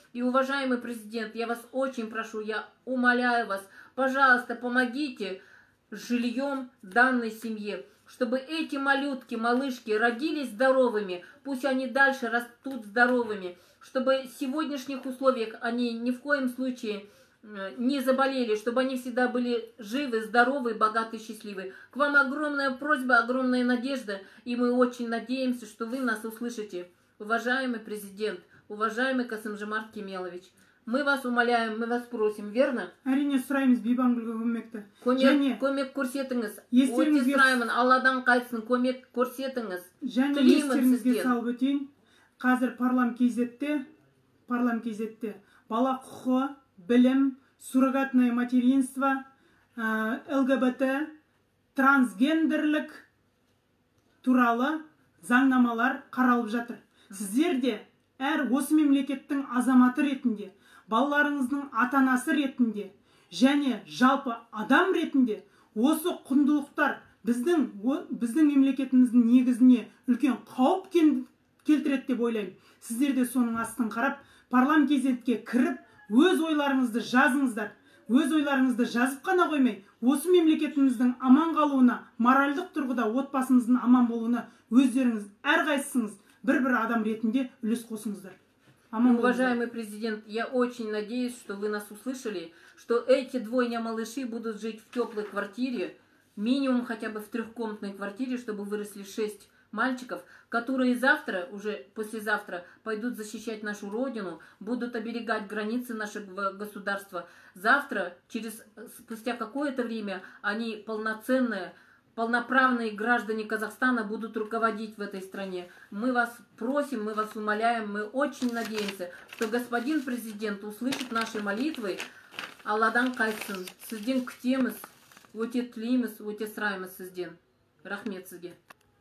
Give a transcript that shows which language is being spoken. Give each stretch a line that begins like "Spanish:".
Russian: И, уважаемый президент, я вас очень прошу, я умоляю вас, пожалуйста, помогите жильем данной семье, чтобы эти малютки, малышки родились здоровыми, пусть они дальше растут здоровыми, чтобы в сегодняшних условиях они ни в коем случае не заболели, чтобы они всегда были живы, здоровы, богаты, счастливы. К вам огромная просьба, огромная надежда, и мы очень надеемся, что вы нас услышите. Уважаемый президент, уважаемый Касым-Жомарт Кемелович, Мы вас умоляем, мы вас просим, верно?
Kazakh: Әрине сұраймыз бейбангүлге көмекті. Көмек көрсетіңіз. Өте сұраймын, Алладан қайтсын, көмек көрсетіңіз. Және естеріңізге салып өтейін. Қазір парламент кезетте. Бала құқы, білім, суррогатное материнство, ЛГБТ, трансгендерлік туралы заңнамалар қаралып жатыр. Сіздер де әр осы мемлекеттің азаматы ретінде, балаларыңыздың ата-анасы ретінде, және жалпы адам ретінде осы құндылықтар біздің мемлекетіміздің негізіне үлкен қауіп келтіреді деп ойлаймын. Сіздер де соның астын қарап, парламент кезетке кіріп, өз ойларыңызды жазыңыздар. Өз ойларыңызды жазып қана қоймай, осы мемлекетіміздің аман қалуына, моральдық тұрғыда отбасыңыздың аман болуына өздеріңіз әрқайсыңыз бір-бір адам ретінде үлес қосыңыздар.
Russian: Уважаемый президент, я очень надеюсь, что вы нас услышали, что эти двойня-малыши будут жить в теплой квартире, минимум хотя бы в трехкомнатной квартире, чтобы выросли 6 мальчиков, которые завтра, уже послезавтра, пойдут защищать нашу родину, будут оберегать границы нашего государства. Завтра, спустя какое-то время, они полноправные граждане Казахстана будут руководить в этой стране. Мы вас просим, мы вас умоляем, мы очень надеемся, что господин президент услышит наши молитвы.
Kazakh: Алладан қайтсын, сіздің күтеміз, өте тілейміз, өте сұраймыз сізден. Рахмет сізге.